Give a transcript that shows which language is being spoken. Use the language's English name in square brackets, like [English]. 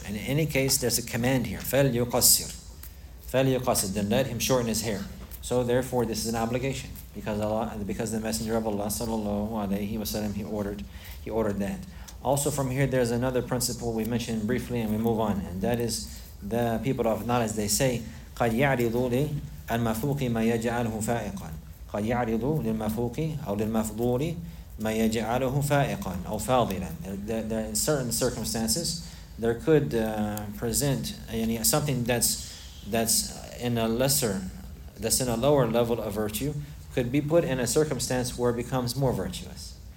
[English] And in any case, there's a command here. [Arabic] فَلْيُقَصِّرْ فَلْيُقَصِّرْ. [English] Then let him shorten his hair. So therefore, this is an obligation because the Messenger of Allah sallallahu alaihi wasallam, he ordered that. Also from here, there's another principle we mentioned briefly and we move on. [Arabic] And that is the people of knowledge, they say, قَدْ يَعْرِضُ لِلْمَفُوقِ مَا يَجْعَلْهُ فَائِقًا قَدْ يَعْرِضُ لِلْمَفُوقِ أَوْ لِلْمَفْضُولِ مَا يَجْعَلْهُ فَائِقًا أَوْ فَاضِلًا. [English] In certain circumstances, there could present something that's in a lesser, that's in a lower level of virtue, could be put in a circumstance where it becomes more virtuous.